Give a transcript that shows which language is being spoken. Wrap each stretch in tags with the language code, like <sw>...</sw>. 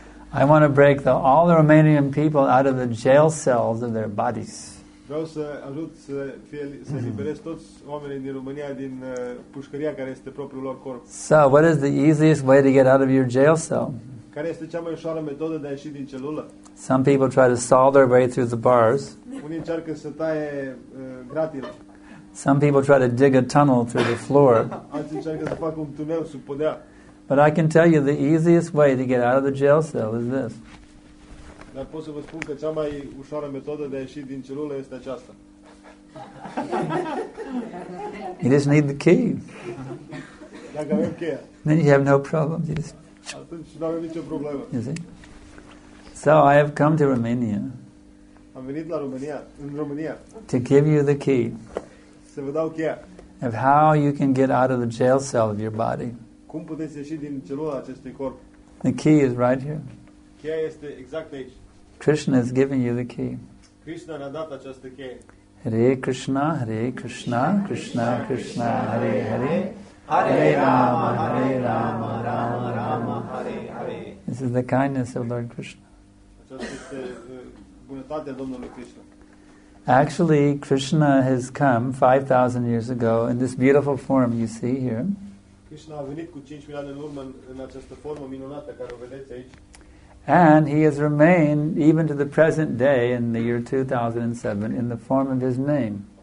<en>I want to break all the Romanian people out of the jail cells of their bodies.</en> <ro>Vreau să ajut să liberez toți oamenii din România din pușcăria care este propriul lor corp.</ro> <en>So, what is the easiest way to get out of your jail cell?</en> <ro>Care este cea mai ușoară metodă de a ieși din celulă?</ro> <en>Some people try to saw their way through the bars.</en> <ro>Unii încearcă să taie gratile.</ro> <en>Some people try to dig a tunnel through the floor.</en> <ro>Alții încearcă să facă un tunel sub podea.</ro> <en>But I can tell you the easiest way to get out of the jail cell is this.</en> <ro>Dar pot să vă spun că cea mai ușoară metodă de a ieși din celulă este aceasta.</ro> <en>You just need the key.</en> <ro>Dacă avem cheia.</ro> <en>Then you have no problem. You just...</en> <ro>Atunci nu avem nicio problemă.</ro> <en>You see? So I have come to Romania.</en> <ro>Am venit la România, în România.</ro> <en>To give you the key.</en> <ro>Să vă dau cheia.</ro> <en>Of how you can get out of the jail cell of your body.</en> <ro>Cum puteți ieși din celula acestui corp?</ro> <en>The key is right here.</en> <ro>Cheia este exact aici.</ro> <en>Krishna has given you the key.</en> <ro>Krishna ne-a dat această cheie.</ro> <sa>Hare Krishna, Hare Krishna, Krishna Krishna, Hare Hare. Hare Rama, Hare Rama, Rama Rama, Hare Hare.</sa> <en>This is the kindness of Lord Krishna.</en> <ro>Aceasta este bunătatea Domnului Krishna.</ro> <en>Actually, Krishna has come 5,000 years ago in this beautiful form you see here.</en> <ro>Krishna a venit cu 5,000 de ani în urmă în această formă minunată care o vedeți aici.</ro> <en>And he has remained, even to the present day, in the year 2007, in the form of his name.</en>